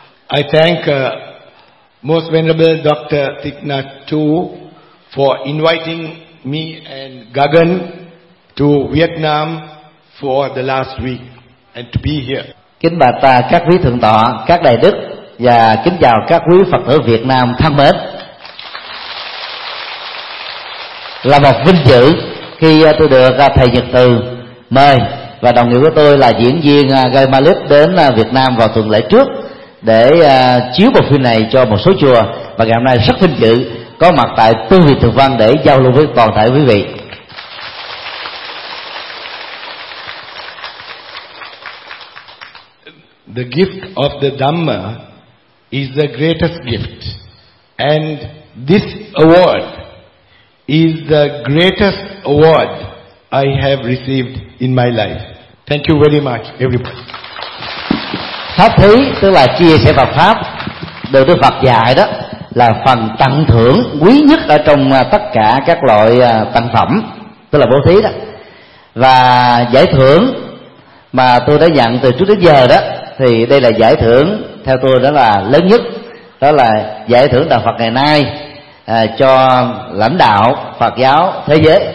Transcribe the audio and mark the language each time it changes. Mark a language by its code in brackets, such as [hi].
[en] I thank most venerable Dr. Thich Nhat Hanh for inviting me and Gagan to Vietnam for the last week and to be here. [vi] Kính bạch các quý thượng tọa, các đại đức và kính chào các quý Phật tử Việt Nam thân mến. Là một vinh dự khi tôi được thầy Nhật Từ mời và đồng nghiệp của tôi là diễn viên Gai Malik đến Việt Nam vào tuần lễ trước để chiếu bộ phim này cho một số chùa, và ngày hôm nay rất vinh dự có mặt tại Tu Viện Thượng Văn để giao lưu với toàn thể quý vị. [en] The gift of the Dhamma is the greatest gift, and this award is the greatest award I have received in my life. Thank you very much, everybody. [vi] Pháp thí tức là chia sẻ Phật pháp được Đức Phật dạy đó là phần tặng thưởng quý nhất ở trong tất cả các loại tặng phẩm, tức là bố thí đó. Và giải thưởng mà tôi đã nhận từ trước đến giờ đó thì đây là giải thưởng theo tôi đó là lớn nhất, đó là giải thưởng Đạo Phật ngày nay cho lãnh đạo Phật giáo thế giới.